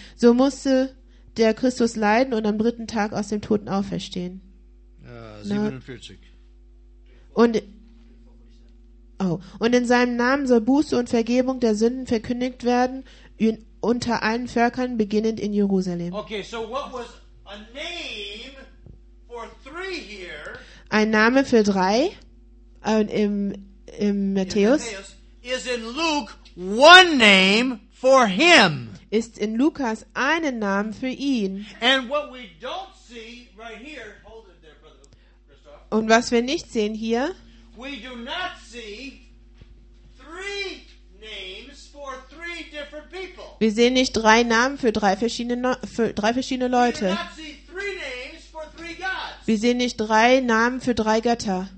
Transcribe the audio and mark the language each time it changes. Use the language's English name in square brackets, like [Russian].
[German] So musste der Christus leiden und am dritten Tag aus dem Toten auferstehen. 47. Und in seinem Namen soll Buße und Vergebung der Sünden verkündigt werden unter allen Völkern beginnend in Jerusalem. [English] Okay, so what was a name for three here? [German] Ein Name für drei im Matthäus. [English] Is in Luke one name for him? [German] Ist in Lukas einen Namen für ihn? [English] And what we don't see right here, hold it there, Brother Christoph. [German] Und was wir nicht sehen hier? [English] We do not see three names for three different people. [German] Wir sehen nicht drei Namen für drei verschiedene Leute. [English] We do not see three names for three gods. [German] Wir sehen nicht drei Namen für drei Götter.